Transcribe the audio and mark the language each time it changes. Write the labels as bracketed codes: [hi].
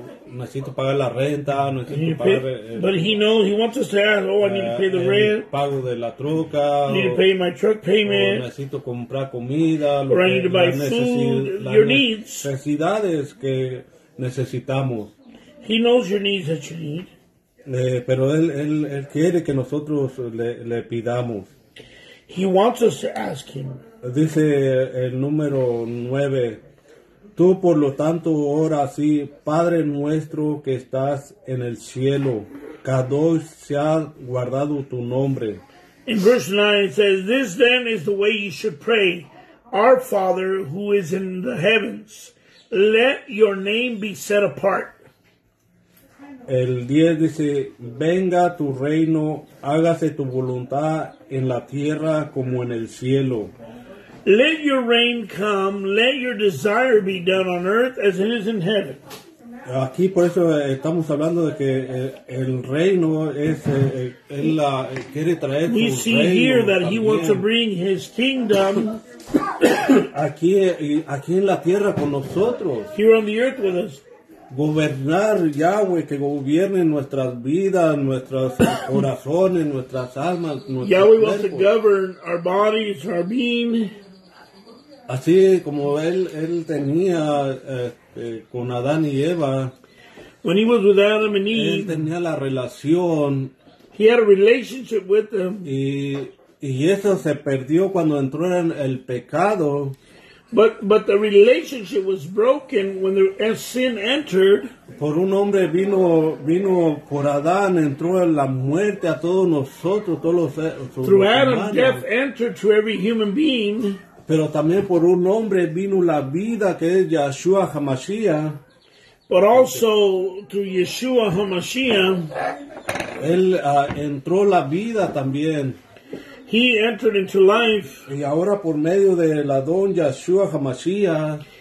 [es] Necesito pagar la renta, necesito pagar [en] but he knows, he wants us to ask, oh, I need to pay the rent, [es] pago de la troca, [en] need to pay my truck payment, [es] o necesito comprar comida, [en] or I need to buy food, your needs, [es] necesidades que necesitamos. [en] He knows your needs that you need. [es] Pero él quiere que nosotros le pidamos. [en] He wants us to ask him. [es] Dice el número 9. Tú, por lo tanto, ora así, Padre nuestro que estás en el cielo, Kadosh sea guardado tu nombre. [en] In verse 9 it says, this then is the way you should pray. Our Father who is in the heavens, let your name be set apart. [es] El 10 dice, venga tu reino, hágase tu voluntad en la tierra como en el cielo. [en] Let your reign come, let your desire be done on earth as it is in heaven. [es] Aquí por eso estamos hablando de que el reino es, él la quiere traer su reino. [en] We see here that [es] también. [en] He wants to bring his kingdom [es] aquí en la tierra con nosotros. [en] Here on the earth with us. [es] Gobernar Yahweh, que gobierne nuestras vidas, nuestros corazones, nuestras almas, nuestros Yahweh cuerpos. [en] Wants to govern our bodies, our being. [es] Así como él tenía con Adán y Eva. [en] When he was with Adam and Eve, [es] él tenía la relación. [en] He had a relationship with them. [es] Y eso se perdió cuando entró en el pecado. [en] But the relationship was broken when the sin entered. [es] Por un hombre vino por Adán, entró en la muerte a todos nosotros, todos los humanos. [en] Through Adam, death entered to every human being. [es] Pero también por un hombre vino la vida, que es Yahshua HaMashiach. [en] But also through Yeshua HaMashiach. [es] Él entró la vida también. [en] He entered into life. [es] Y ahora por medio de la don Yahshua HaMashiach.